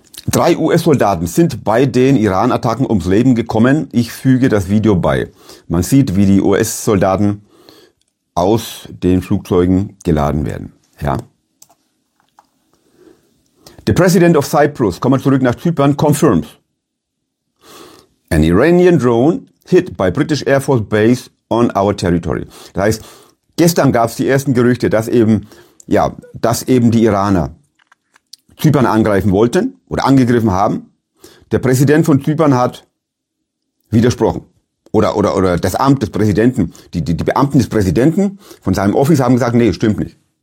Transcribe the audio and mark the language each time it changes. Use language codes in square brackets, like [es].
[de] 3 US-Soldaten sind bei den Iran-Attacken ums Leben gekommen. Ich füge das Video bei. Man sieht, wie die US-Soldaten aus den Flugzeugen geladen werden. Ja. [en] The President of Cyprus, [de] kommen wir zurück nach Zypern, [en] confirms. An Iranian drone hit by British Air Force Base on our territory. [de] Das heißt, gestern gab es die ersten Gerüchte, dass eben die Iraner Zypern angreifen wollten oder angegriffen haben. Der Präsident von Zypern hat widersprochen. Oder das Amt des Präsidenten, die Beamten des Präsidenten von seinem Office haben gesagt, nee, stimmt nicht.